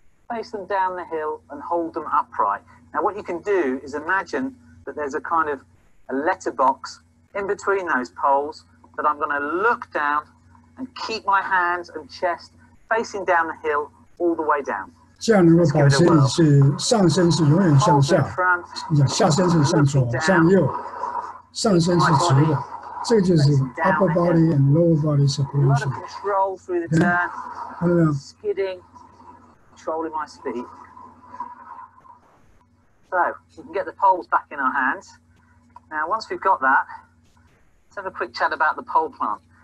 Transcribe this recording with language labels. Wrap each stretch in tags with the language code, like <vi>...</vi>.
<en>Face them down the hill and hold them upright. Now what you can do is imagine that there's a kind of a letterbox in between those poles that I'm going to look down and keep my hands and chest facing down the hill all the way down.</en> <zh>这样能够保持你是上身是永远向下，下身是向左向右，上身是直的。这个就是</zh> <en>upper body and lower body separation. Control through the turn, skidding. Controlling my speed. So, we can get the poles back in our hands. Now, once we've got that, let's have a quick chat about the pole plant.</en>